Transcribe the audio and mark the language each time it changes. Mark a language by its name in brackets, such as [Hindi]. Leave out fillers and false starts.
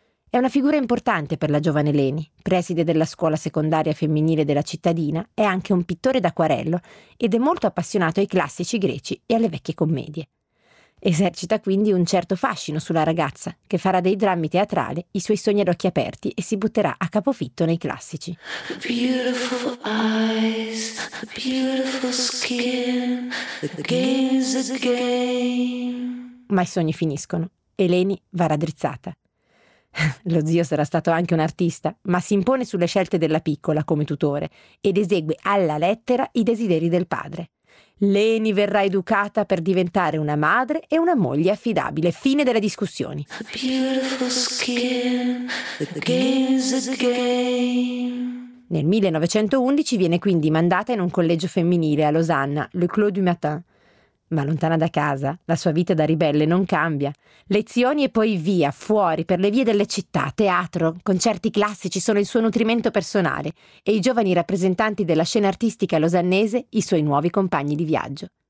[Italian] È una figura importante per la giovane Leni, preside della scuola secondaria femminile della cittadina, è anche un pittore d'acquarello ed è molto appassionato ai classici greci e alle vecchie commedie. Esercita quindi un certo fascino sulla ragazza, che farà dei drammi teatrali, i suoi sogni ad occhi aperti e si butterà a capofitto nei classici. [English] Beautiful eyes, beautiful skin, the game's a game. [Italian] Ma i sogni finiscono e Leni va raddrizzata. Lo zio sarà stato anche un artista, ma si impone sulle scelte della piccola come tutore ed esegue alla lettera i desideri del padre. Leni verrà educata per diventare una madre e una moglie affidabile. Fine delle discussioni. [English] Beautiful skin, the game's a game. [Italian] Nel 1911 viene quindi mandata in un collegio femminile a Losanna, Le Clos du Matin. Ma lontana da casa, la sua vita da ribelle non cambia. Lezioni e poi via, fuori, per le vie delle città, teatro, concerti classici sono il suo nutrimento personale e i giovani rappresentanti della scena artistica losannese i suoi nuovi compagni di viaggio.